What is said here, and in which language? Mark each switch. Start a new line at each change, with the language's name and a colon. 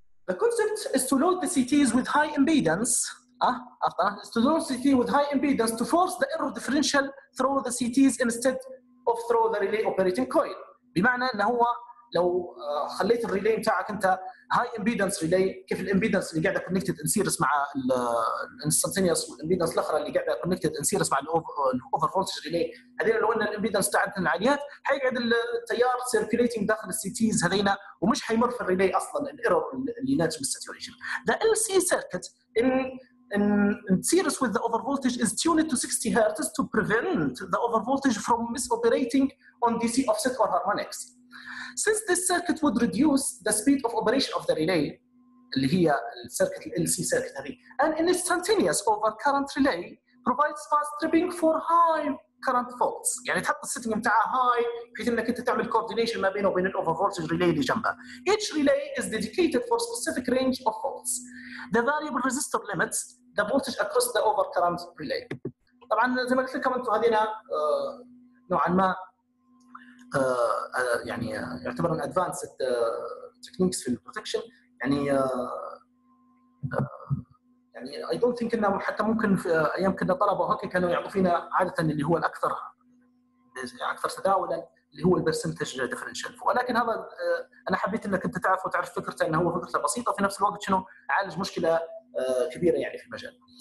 English: The concept is to load the CTs with high impedance to force the error differential through the CTs instead of through the relay operating coil.
Arabic: بمعنى أن هو لو خليت الريلي متاعك أنت
English: high impedance relay
Arabic: كيف impedance اللي قاعدة
English: connected in series
Arabic: مع
English: instantaneous impedance
Arabic: الأخرى اللي قاعدة connected in series مع
English: over voltage relay
Arabic: هذين لو أن impedance تاعتنا العاليات حيقعد التيار circulating داخل CTs هذين ومش حيمر في الريلي أصلاً الإرور اللي ناتج من saturation.
English: The LC circuit in series with the overvoltage is tuned to 60 Hz to prevent the overvoltage from misoperating on DC offset or harmonics. Since this circuit would reduce the speed of operation of the relay,
Arabic: اللي هي
English: circuit LC circuit, an instantaneous overcurrent relay provides fast tripping for high current faults.
Arabic: يعني تحط السيتنج بتاعها high بحيث انك انت تعمل coordination ما بينه وبين الovervoltage relay اللي جنبها.
English: Each relay is dedicated for specific range of faults. The variable resistor limits the voltage across the overcurrent relay.
Arabic: طبعا زي ما قلت لكم انتم هذينا نوعا ما يعني يعتبر ان ادفانسد تكنيكس في البروتكشن يعني يعني
English: I don't think
Arabic: انه حتى ممكن في ايام كنا طلبه هكا كانوا يعطوا فينا عاده اللي هو الاكثر اكثر تداولا اللي هو البرسنتج ديفرنشال، ولكن هذا انا حبيت انك انت تعرف وتعرف فكرته انه هو فكرته بسيطه في نفس الوقت شنو عالج مشكله كبيره يعني في المجال.